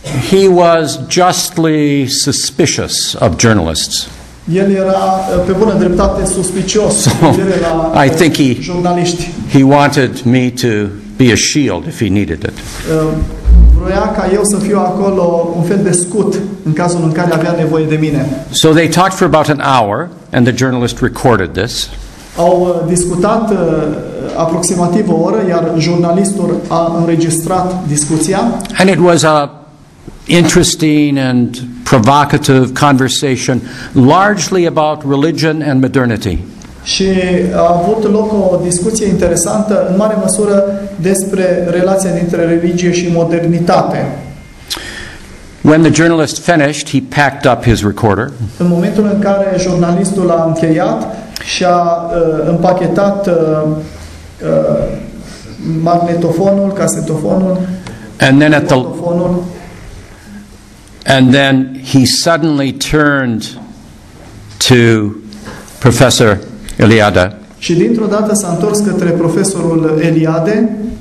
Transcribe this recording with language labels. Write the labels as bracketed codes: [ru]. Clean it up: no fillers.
[en] He was justly suspicious of journalists. [ro] El era pe bună dreptate suspicios. [en] So, I think he wanted me to be a shield if he needed it. [ro] Vroia ca eu să fiu acolo un fel de scut în cazul în care avea nevoie de mine. [en] So they talked for about an hour and the journalist recorded this. [ro] Au discutat aproximativ o oră, iar jurnalistul a înregistrat discuția. [en] And it was a interesting and provocative conversation, largely about religion and modernity. [ro] Și a avut loc o discuție interesantă, în mare măsură, despre relația dintre religie și modernitate. [en] When the journalist finished, he packed up his recorder. [ro] În momentul în care jurnalistul a încheiat și a împachetat magnetofonul, casetofonul, [en] magnetofonul, and then he suddenly turned to Professor Eliade. [ro] Și dintr-o dată s-a întors către profesorul Eliade,